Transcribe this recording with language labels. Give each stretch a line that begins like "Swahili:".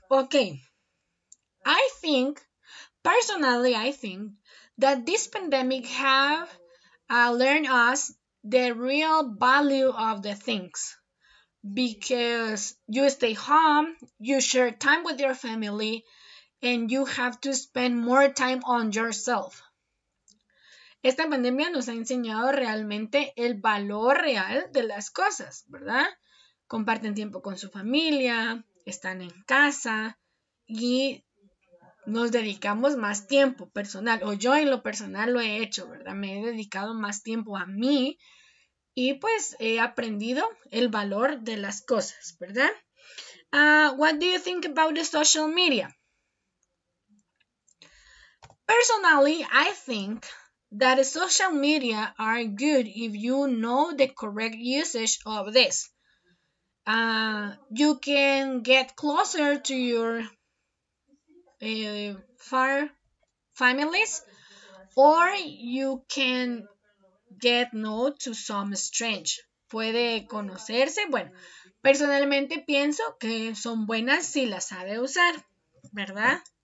English: Ok, I think, personally, I think that this pandemic have learned us the real value of the things. Because you stay home, you share time with your family, and you have to spend more time on yourself.
Spanish: Esta pandemia nos ha enseñado realmente el valor real de las cosas, ¿verdad? Comparten tiempo con su familia, están en casa y nos dedicamos más tiempo personal. O yo en lo personal lo he hecho, ¿verdad? Me he dedicado más tiempo a mí y pues he aprendido el valor de las cosas, ¿verdad?
English: What do you think about the social media? Personally, I think that social media are good if you know the correct usage of this. You can get closer to your far families, or you can get known to some strange.
Spanish: Puede conocerse. Bueno, personalmente pienso que son buenas si las sabe usar, ¿verdad?